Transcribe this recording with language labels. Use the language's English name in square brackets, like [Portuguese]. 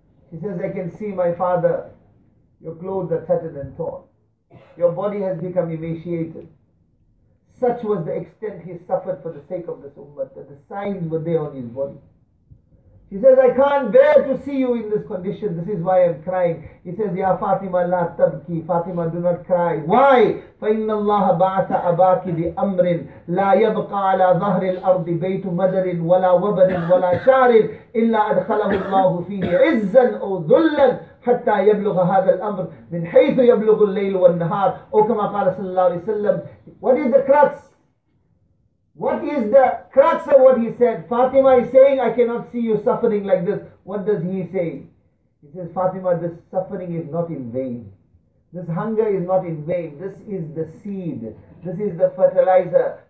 [English] She says, I can see my father. Your clothes are tattered and torn. Your body has become emaciated. Such was the extent he suffered for the sake of this ummah, that the signs were there on his body. He says, I can't bear to see you in this condition. This is why I'm crying. He says, [Arabic] Ya Fatima, la tabki. [English] Fatima, do not cry. Why? [Arabic] فَإِنَّ اللَّهَ بَعَثَ أَبَاكِ بِأَمْرٍ لَا يَبْقَى عَلَى ظَهْرِ الْأَرْضِ بَيْتُ مَدَرٍ وَلَا وَبَنٍ وَلَا شَارٍ إِلَّا أَدْخَلَهُ اللَّهُ فِيهِ عِزًّا أَوْ ذُلًّا حتى يبلغ هذا الأمر من حيث يبلغ الليل والنهار. أو كما قال صلى الله عليه وسلم. [English] What is the crux? What is the crux of what he said? Fatima is saying, I cannot see you suffering like this. What does he say? He says, Fatima, this suffering is not in vain. This hunger is not in vain. This is the seed. This is the fertilizer.